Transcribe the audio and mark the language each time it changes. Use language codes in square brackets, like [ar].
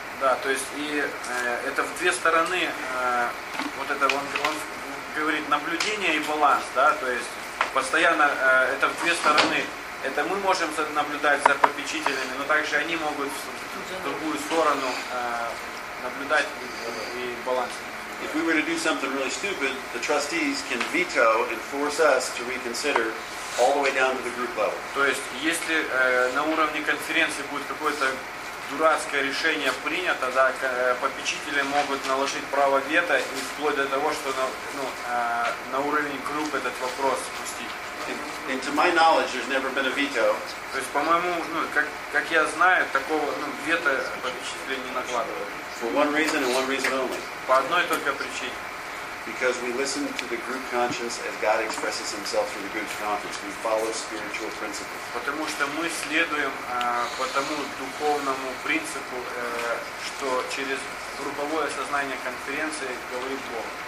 [ru] Да, то есть и это в две стороны, вот это он говорит, наблюдение и баланс, да, то есть постоянно это в две стороны. Это мы можем наблюдать за попечителями, но также они могут в другую сторону наблюдать и балансировать. [en] If we were to do something really stupid, the trustees can veto and force us to reconsider all the way down to the group level. [ru] То есть, если на уровне конференции будет какое-то дурацкое решение принято, да, попечители могут наложить право вето и вплоть до того, что на уровень групп этот вопрос спустить. [en] And to my knowledge, there's never been a veto. [ru] То есть, по-моему, ну, как я знаю, такого, ну, вето попечители не накладывают. [en] For one reason and one reason only. [ru] По одной только причине. [en] because we listen to the group conscience as God expresses himself through the group's conscience. We follow spiritual principles. [ru] Потому что мы следуем по тому духовному принципу, что через групповое сознание конференции говорит Бог.